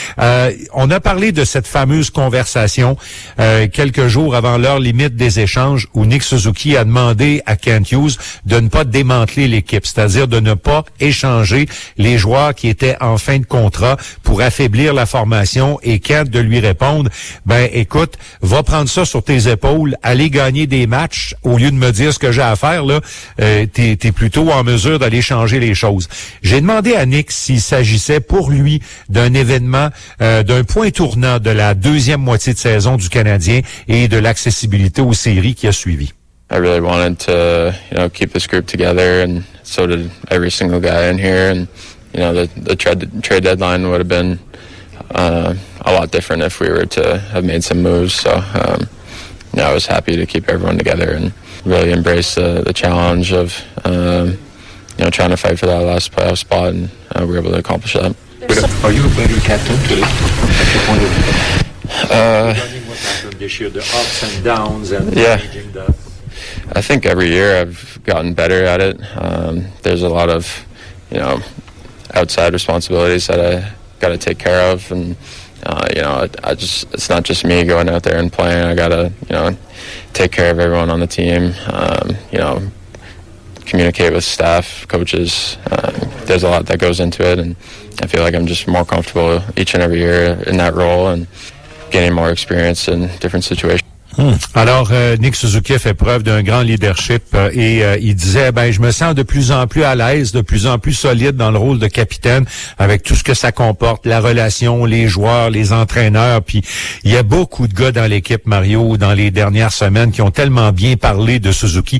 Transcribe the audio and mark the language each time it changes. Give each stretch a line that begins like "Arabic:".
French: On a parlé de cette fameuse conversation quelques jours avant l'heure limite des échanges où Nick Suzuki a demandé à Kent Hughes de ne pas démanteler l'équipe, c'est-à-dire de ne pas échanger les joueurs qui étaient en fin de contrat pour affaiblir la formation, et Kent de lui répondre, ben écoute, va prendre ça sur tes épaules, aller gagner des matchs au lieu de me dire ce que à faire, là, t'es plutôt en mesure d'aller changer les choses. J'ai demandé à Nick s'il s'agissait pour lui d'un événement, d'un point tournant de la deuxième moitié de saison du Canadien et de l'accessibilité aux séries qui a suivi.
English: I really wanted to, you know, keep this group together, and so did every single guy in here, and you know, the trade deadline would have been a lot different if we were to have made some moves, so you know, I was happy to keep everyone together and really embrace the challenge of you know, trying to fight for that last playoff spot, and we were able to accomplish that. Are you a better captain today? At the point of this year, the ups and downs and yeah, the... I think every year I've gotten better at it. There's a lot of, you know, outside responsibilities that I got to take care of, and you know, it's not just me going out there and playing. I gotta, you know, take care of everyone on the team. You know, communicate with staff, coaches. There's a lot that goes into it, and I feel like I'm just more comfortable each and every year in that role and getting more experience in different situations.
French: Alors, Nick Suzuki a fait preuve d'un grand leadership et il disait, ben, je me sens de plus en plus à l'aise, de plus en plus solide dans le rôle de capitaine avec tout ce que ça comporte, la relation, les joueurs, les entraîneurs. Puis il y a beaucoup de gars dans l'équipe, Mario, dans les dernières semaines qui ont tellement bien parlé de Suzuki.